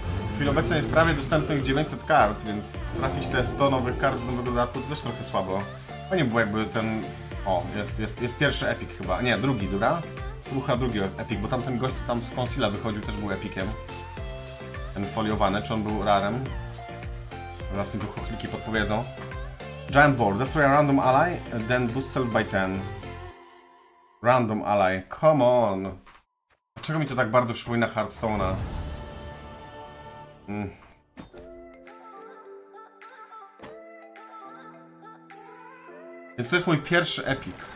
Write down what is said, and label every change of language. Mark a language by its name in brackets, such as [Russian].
[Polish] W chwili obecnej jest prawie dostępnych 900 kart, więc trafić te 100 nowych kart z nowego dodatku to też trochę słabo. Fajnie było jakby ten... O, jest pierwszy epik chyba. Nie, drugi, dobra? Rucha drugi epik, bo tamten gość, co tam z Concila wychodził, też był epikiem. Ten foliowany, czy on był rarem? Zaraz mi tu chochliki podpowiedzą. [English] Giant Ball, destroy a random ally, then boosted by 10. Random ally, come on! [Polish] Dlaczego mi to tak bardzo przypomina Hearthstone'a? Więc to jest mój pierwszy epik.